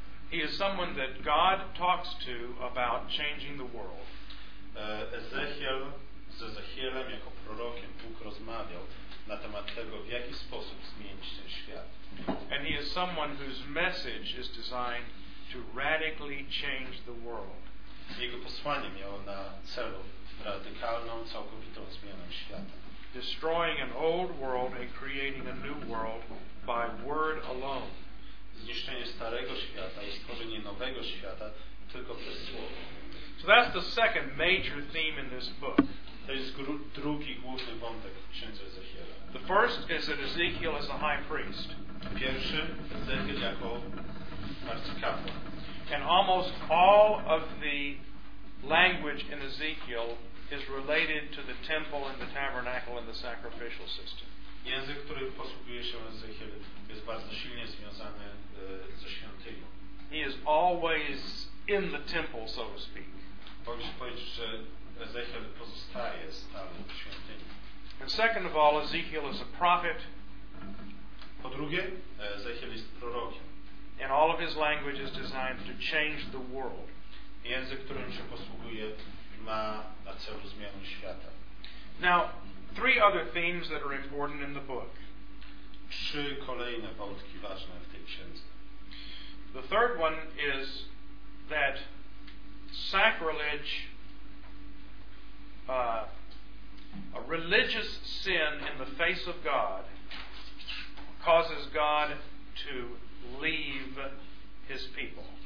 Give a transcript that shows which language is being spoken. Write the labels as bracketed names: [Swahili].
[English] He is someone that God talks to about changing the world. [Polish] Ezechiel z Ezechielem jako prorokiem Bóg rozmawiał na temat tego, w jaki sposób zmienić ten świat. [English] And he is someone whose message is designed to radically change the world. [Polish] Jego posłanie miało na celu radykalną, całkowitą zmianę świata. [English] Destroying an old world and creating a new world by word alone. [Polish] Zniszczenie starego świata i stworzenie nowego świata tylko przez słowo. [English] So that's the second major theme in this book. [Polish] To jest drugi główny wątek w księdze Ezechiela. [English] The first is that Ezekiel is a high priest. [Polish] Pierwszy, Ezechiel jako arcykapłan. [English] And almost all of the language in Ezekiel is related to the temple and the tabernacle and the sacrificial system. [Polish] Język, którym posługuje się Ezechiel, jest bardzo silnie związany ze świątynią. [English] He is always in the temple, so to speak. [Polish] Możesz powiedzieć, że Ezechiel pozostaje stale w świątyni. [English] And second of all, Ezekiel is a prophet. [Polish] Po drugie, Ezechiel jest prorokiem. [English] And all of his language is designed to change the world. [Polish] Język, którym się posługuje, ma na celu zmianę świata. [English] Now, three other themes that are important in the book. [Polish] Trzy kolejne wątki ważne w tej księdze. [English] The third one is that sacrilege, a religious sin in the face of God, causes God to leave his people.